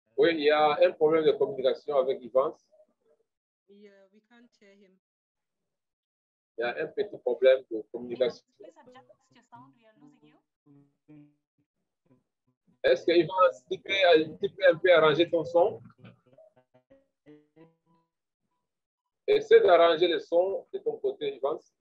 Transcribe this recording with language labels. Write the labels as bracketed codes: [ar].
[fr] Oui, il y a un problème de communication avec Evans. [en] Yeah, we can't hear him. [fr] Il y a un petit problème de communication. [en] Please adjust your sound, we are losing you. [fr] Est-ce que Evans, tu peux un peu arranger ton son? Essaie d'arranger le son de ton côté, Evans.